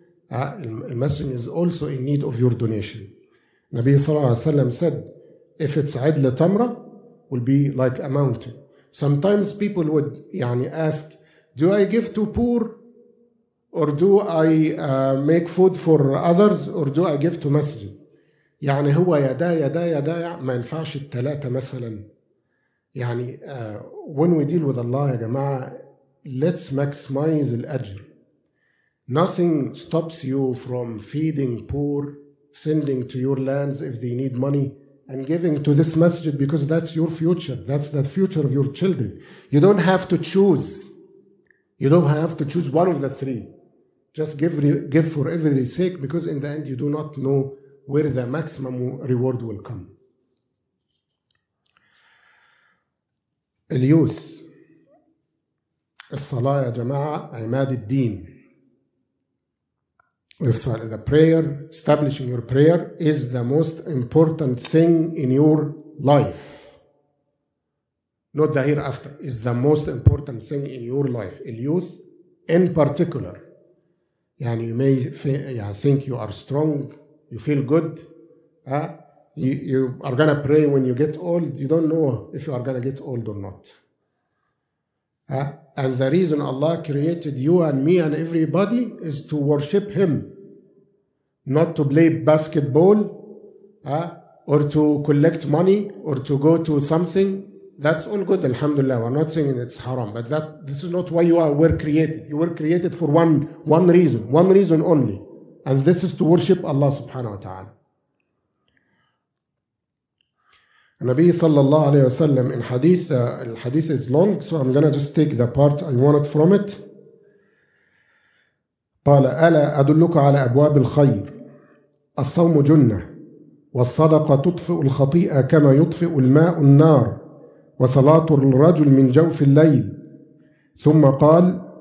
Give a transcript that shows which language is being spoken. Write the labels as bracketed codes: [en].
[en] Masjid is also in need of your donation. Nabi sallallahu alayhi wa sallam said, if it's [ar] عدل تمرة, [en] will be like a mountain. Sometimes people would يعني ask, do I give to poor? Or do I make food for others? Or do I give to masjid? [ar] يعني هو يدا ما ينفعش التلاتة مثلا. [en] يعني when we deal with Allah, [ar] يا جماعة, [en] let's maximize al-ajr. Nothing stops you from feeding poor, sending to your lands if they need money, and giving to this masjid because that's your future. That's the future of your children. You don't have to choose. You don't have to choose one of the three. Just give for every sake, because in the end you do not know where the maximum reward will come. Al-youth. [ar] الصلاة يا جماعة عماد الدين. [en] The prayer, establishing your prayer, is the most important thing in your life. Not the hereafter, is the most important thing in your life. The youth in particular. يعني you may think you are strong, you feel good, you are going to pray when you get old, you don't know if you are going to get old or not. And the reason Allah created you and me and everybody is to worship Him, not to play basketball, or to collect money, or to go to something. That's all good, alhamdulillah. We're not saying it's haram, but this is not why were created. You were created for one reason only. And this is to worship Allah subhanahu wa ta'ala. Nabi sallallahu alayhi wa sallam, in hadith, al-hadith is long, so I'm going to just take the part I wanted from it. [ar] قال ألا أدلك على أبواب الخير الصوم جنة والصدقة تطفئ الخطيئة كما يطفئ الماء النار وصلاة الرجل من جوف الليل ثم قال